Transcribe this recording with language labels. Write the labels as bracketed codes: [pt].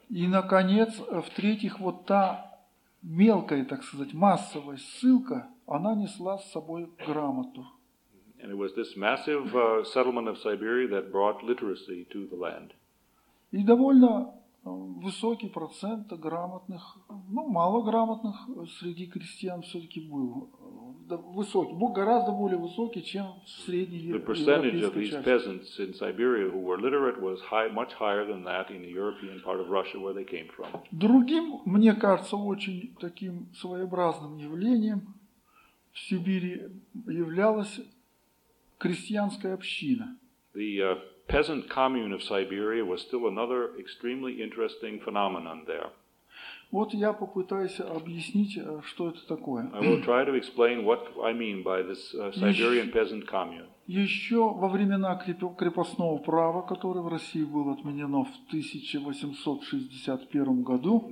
[ru] И наконец, в-третьих, вот та мелкая, так сказать, массовая ссылка, она несла с собой грамоту. [en] And it was this massive settlement of Siberia that brought literacy to the land. [ru] И довольно высокий процент грамотных, ну, малограмотных среди крестьян все-таки был. Высокий, гораздо более высокий, чем в средней европейской части. [en] The percentage of these peasants in Siberia who were literate was high, much higher than that in the European part of Russia where they came from. [ru] Другим, мне кажется, очень таким своеобразным явлением в Сибири являлась крестьянская община. [en] The peasant commune of Siberia was still another extremely interesting phenomenon there. [ru] Вот я попытаюсь объяснить, что это такое. [en] I will try to explain what I mean by this Siberian peasant commune. [ru] Еще во времена крепостного права, которое в России было отменено в 1861 году.